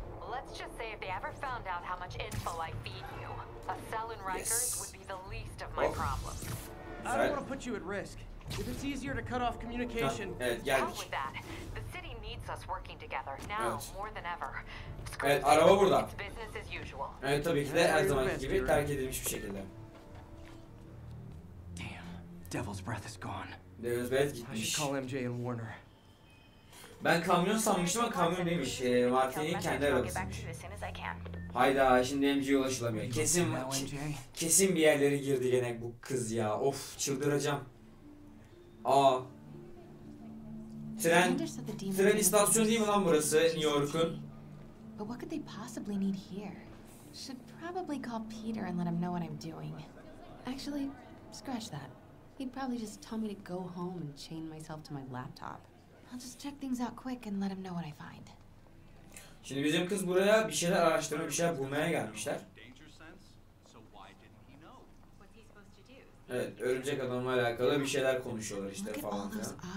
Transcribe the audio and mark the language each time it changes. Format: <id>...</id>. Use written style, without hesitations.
<en>Let's just say if they ever found out how much info I feed you, a cell in Rikers would be the least of my problems. I don't want to put you at risk. If it's easier to cut off communication, help with that. The city needs us working together now more than ever.</en> <tr>Evet, araba burada.</tr> <en>It's business as usual.</en> <tr>Evet, tabii ki de her zamanki gibi terk edilmiş bir şekilde.</tr> <en>Damn, Devil's Breath is gone.</en> <tr>Devil's Breath gitmiş.</tr> <en>I should call MJ and Warner.</en> <tr>Ben kamyon sanmıştım ama kamyon neymiş? Martin'in kendi arabasıymış. Hayda, şimdi MJ'ye ulaşılamıyor. Kesin bir yerlere girdi gene bu kız ya. Of, çıldıracağım. Aa. Tren istasyonu değil mi lan burası New York'un?</tr> <en>But what could they possibly need here? Should probably call Peter and let him know what I'm doing. Actually, scratch that. He'd probably just tell me to go home and chain myself to my laptop. I'll just check things out quick and let him know what I find.</en> <tr>Şimdi bizim kız buraya bir şeyler araştırma, bir şeyler bulmaya gelmişler. Evet, örümcek adamla alakalı bir şeyler konuşuyorlar işte falan filan.</tr>